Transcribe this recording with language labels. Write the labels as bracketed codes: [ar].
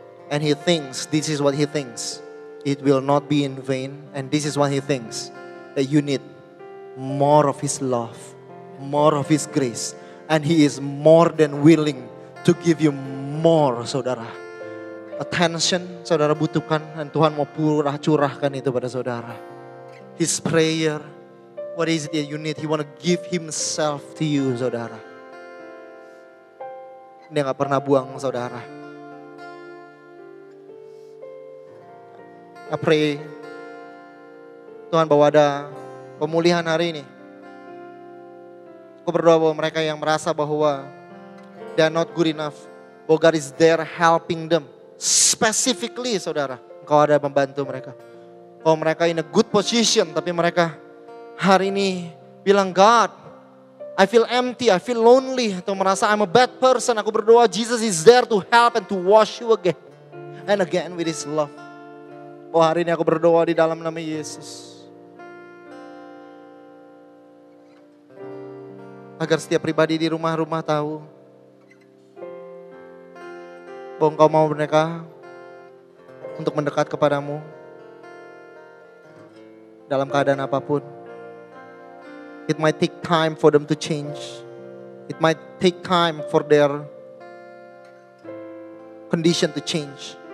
[en] And He thinks, this is what He thinks. It will not be in vain. And this is what He thinks, that you need more of His love, more of His grace, and He is more than willing to give you more, saudara. [id] Attention saudara butuhkan, dan Tuhan mau curahkan itu pada saudara. [en] His prayer, what is it that you need? He want to give Himself to you, saudara. [id] Dia gak pernah buang saudara. [en] I pray [id] Tuhan bahwa ada pemulihan hari ini. Aku berdoa bahwa mereka yang merasa bahwa [en] they are not good enough, [id] bahwa [en] God is there helping them. [id] Specifically, saudara, Engkau ada membantu mereka. Bahwa mereka [en] in a good position, [id] tapi mereka hari ini bilang, God, [en] I feel empty, I feel lonely, [id] atau merasa [en] I'm a bad person, [id] aku berdoa [en] Jesus is there to help and to wash you again and again with his love. [id] Oh, hari ini aku berdoa di dalam nama Yesus. Agar setiap pribadi di rumah-rumah tahu bahwa engkau mau mereka untuk mendekat kepadamu dalam keadaan apapun. [en] It might take time for them to change. It might take time for their condition to change.